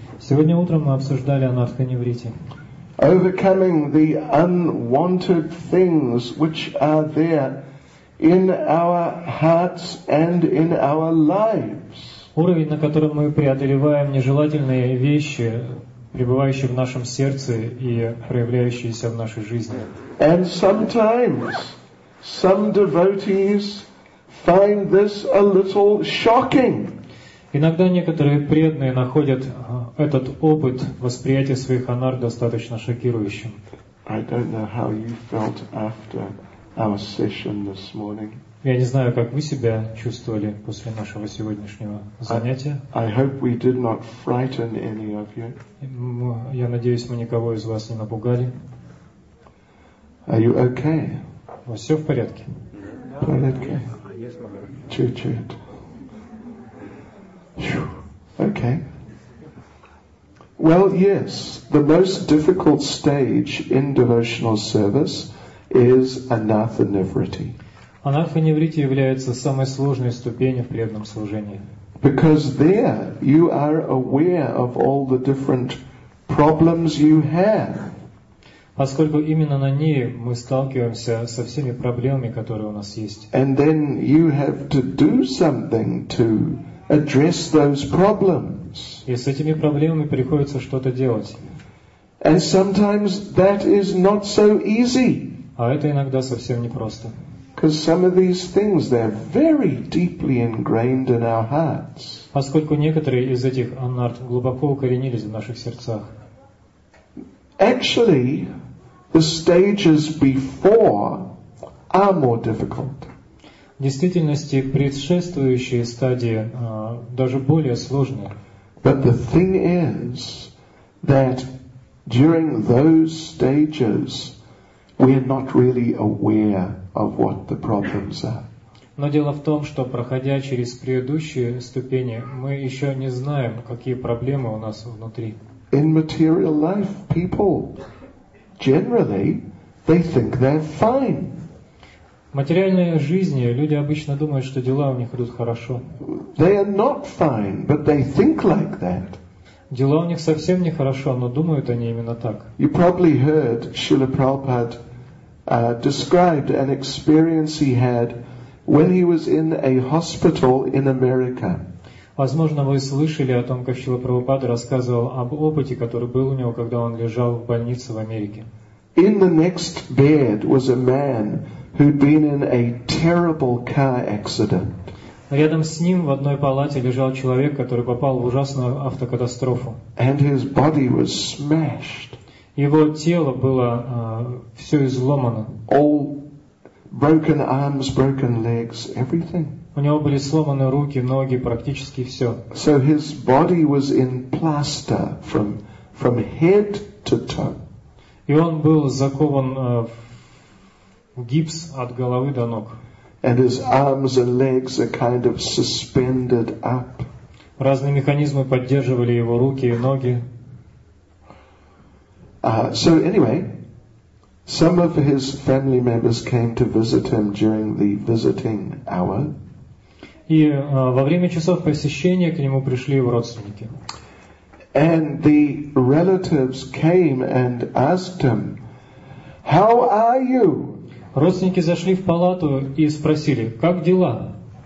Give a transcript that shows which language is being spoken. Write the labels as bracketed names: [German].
[Russian] Сегодня утром мы обсуждали Анатханивритти. [English] Overcoming the unwanted things which are there in our hearts and in our lives. [Russian] Уровень, на котором мы преодолеваем нежелательные вещи, пребывающие в нашем сердце и проявляющиеся в нашей жизни. [English] And sometimes some devotees find this a little shocking. [Russian] Иногда некоторые преданные находят этот опыт восприятия своих анар достаточно шокирующим. [English] I don't know how you felt after our session this morning. [Russian] Я не знаю, как вы себя чувствовали после нашего сегодняшнего занятия. [English] I hope we did not frighten any of you. [Russian] Я надеюсь, мы никого из вас не напугали. [English] Are you okay? [Russian] У вас все в порядке? Чуть-чуть. [English] Okay. Well, yes, the most difficult stage in devotional service is Anathanivritti. [Russian] Анатханивритти является самой сложной ступенью в преданном служении. [English] Because there you are aware of all the different problems you have. [Russian] Поскольку именно на ней мы сталкиваемся со всеми проблемами, которые у нас есть. [English] And then you have to do something to address those problems. [Russian] И с этими проблемами приходится что-то делать. [English] And sometimes that is not so easy. [Russian] А это иногда совсем непросто. [English] Because some of these things, they're very deeply ingrained in our hearts. [Russian] Поскольку некоторые из этих анарт глубоко укоренились в наших сердцах. [English] Actually, the stages before are more difficult. [Russian] В действительности, предшествующие стадии даже более сложные. [English] But the thing is that during those stages we are not really aware of what the problems are. [Russian] Но дело в том, что проходя через предыдущие ступени, мы еще не знаем, какие проблемы у нас внутри. [English] In material life, people generally they think they're fine. [Russian] В материальной жизни люди обычно думают, что дела у них идут хорошо. [English] They are not fine, but they think like that. [Russian] Дела у них совсем не хорошо, но думают они именно так. [English] You probably heard Srila Prabhupada described an experience he had when he was in a hospital in America. [Russian] Возможно, вы слышали о том, как Шрила Прабхупада рассказывал об опыте, который был у него, когда он лежал в больнице в Америке. [English] In the next bed was a man who'd been in a terrible car accident. [Russian] Рядом с ним в одной палате лежал человек, который попал в ужасную автокатастрофу. [English] And his body was smashed. [Russian] Его тело было все изломано. [English] All broken arms, broken legs, everything. [Russian] У него были сломаны руки, ноги, практически все. [English] So his body was in plaster from head to toe. [Russian] И он был закован в гипс от головы до ног. [English] And his arms and legs are kind of suspended up. [Russian] Разные механизмы поддерживали его руки и ноги. [English] So anyway, some of his family members came to visit him during the visiting hour. [Russian] И во время часов посещения к нему пришли его родственники. [English] And the relatives came and asked him, "How are you?" [Russian] Родственники зашли в палату и спросили, как дела?